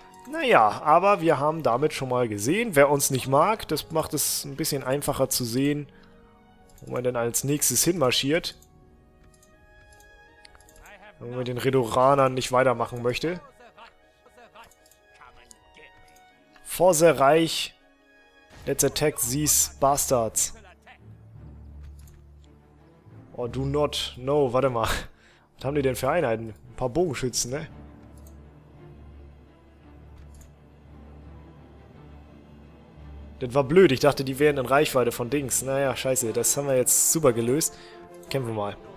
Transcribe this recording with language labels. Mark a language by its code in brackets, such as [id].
[de] Naja, aber wir haben damit schon mal gesehen. Wer uns nicht mag, das macht es ein bisschen einfacher zu sehen, wo man denn als nächstes hinmarschiert. Wenn man den Redoranern nicht weitermachen möchte. [en] For the Reich. Let's attack these bastards. Oh, do not. No, [de] warte mal. Was haben die denn für Einheiten? Ein paar Bogenschützen, ne? Das war blöd. Ich dachte, die wären in Reichweite von Dings. Naja, scheiße. Das haben wir jetzt super gelöst. Kämpfen wir mal.